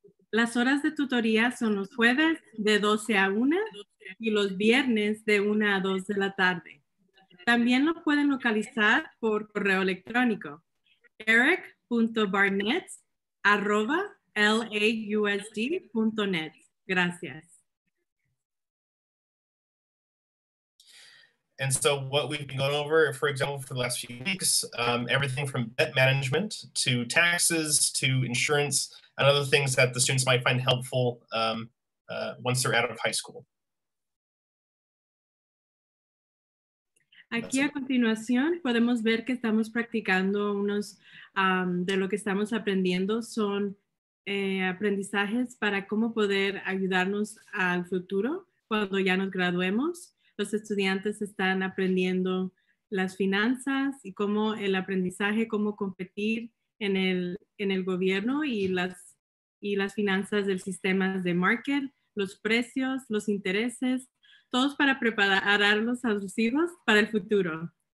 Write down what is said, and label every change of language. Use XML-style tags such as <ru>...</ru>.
<es>Las horas de tutoría son los jueves de 12 a 1 y los viernes de 1 a 2 de la tarde. También lo pueden localizar por correo electrónico eric.barnett@lausd.net. Gracias.</es> <en>And so what we've been going over, for example, for the last few weeks, everything from debt management to taxes to insurance, and other things that the students might find helpful once they're out of high school.</en> <es>Aquí a continuación podemos ver que estamos practicando unos de lo que estamos aprendiendo son aprendizajes para cómo poder ayudarnos al futuro cuando ya nos graduemos. Los estudiantes están aprendiendo las finanzas y cómo el aprendizaje, cómo competir en el gobierno y las finanzas del sistema de market, los precios, los intereses, todos para prepararlos a sus hijos para el futuro.</es>